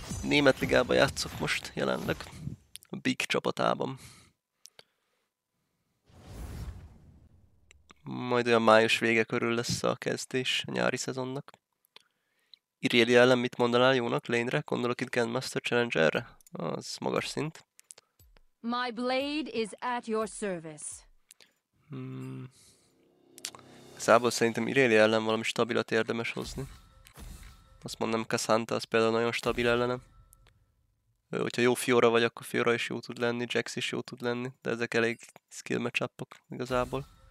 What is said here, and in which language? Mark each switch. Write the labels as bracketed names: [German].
[Hungarian] Német ligába játszok most jelenleg. A Big csapatában. Majd olyan május vége körül lesz a kezdés a nyári szezonnak. Iréli ellen mit mondanál jónak? Lane-re? Gondolok itt Grandmaster Challenger-re? Az magas szint. [English] My blade is at your service. [Hungarian] Szából szerintem Iréli ellen valami stabilat érdemes hozni. Azt mondom, Cassanta az például nagyon stabil ellenem. Hogyha jó Fiora vagy, akkor Fiora is jó tud lenni, Jax is jó tud lenni, de ezek elég skill matchup-ok igazából.